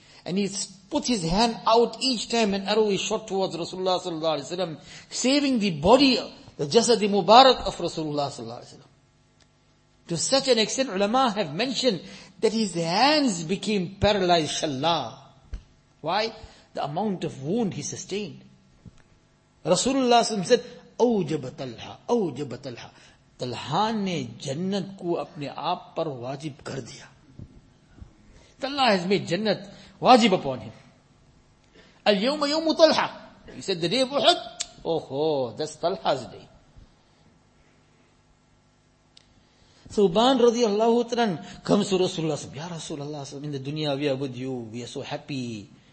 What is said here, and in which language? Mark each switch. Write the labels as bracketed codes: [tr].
[en] And he puts his hand out each time an arrow is shot towards Rasulullah sallallahu alaihi wasallam, saving the body, the jasad Mubarak of Rasulullah sallallahu alaihi wasallam. To such an extent, ulama have mentioned that his hands became paralyzed, shallah. Why? The amount of wound he sustained. Rasulullah said, [ar] اوجب طلحہ، اوجب طلحہ، [ur] Talha نے جنت کو اپنے آپ پر واجب کر دیا. [en] Talha has made جنت واجب upon him. [ar] اليوم يوم طلحہ. [en] He said the day of احد. Oh, that's طلحہ's day. Thuban radiallahu ta'ala comes to Rasulullah said, Ya Rasulullah, in the dunya we are with you, we are so happy.